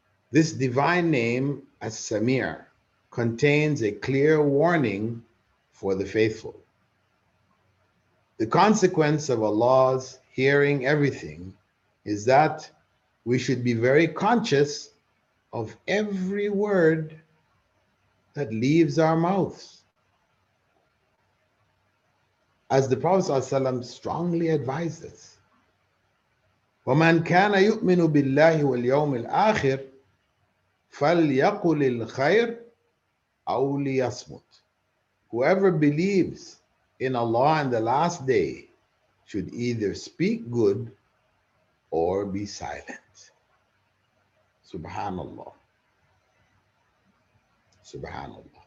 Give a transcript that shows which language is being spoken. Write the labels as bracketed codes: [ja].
[en] This divine name, As-Samir, contains a clear warning for the faithful. The consequence of Allah's hearing everything is that we should be very conscious of every word that leaves our mouths. As the Prophet ﷺ strongly advised us, [ar] وَمَنْ كَانَ يُؤْمِنُ بِاللَّهِ وَالْيَوْمِ الْآخِرِ فَلْيَقُلِ الْخَيْرِ أَوْ لِيَصْمُتْ. [en] Whoever believes in Allah and the last day should either speak good or be silent. Subhanallah. Subhanallah.